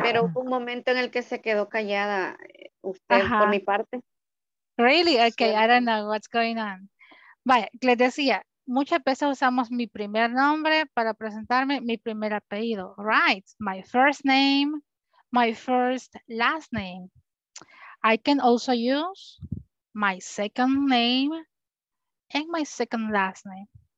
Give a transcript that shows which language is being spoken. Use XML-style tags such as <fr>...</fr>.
<es>Pero hubo un momento en el que se quedó callada usted por mi parte.</es> <en>Really? Okay, sí. I don't know what's going on.</en> <es>Vaya, les decía, muchas veces usamos mi primer nombre para presentarme, mi primer apellido.</es> <en>Right, my first name, my first last name. I can also use my second name and my second last name.</en>